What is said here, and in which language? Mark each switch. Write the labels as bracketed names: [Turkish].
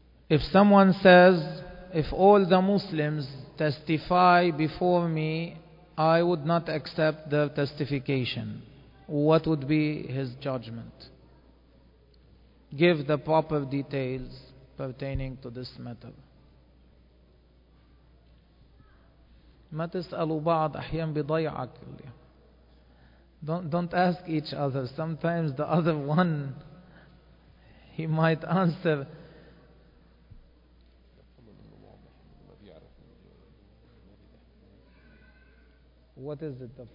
[English] If someone says, if all the Muslims testify before me, I would not accept the testification, what would be his judgment? Give the proper details pertaining to this matter. [Arabic] ما تسألوا بعض أحيان بضيعك. [English] Don't ask each other. Sometimes the other one, he might answer. What is it?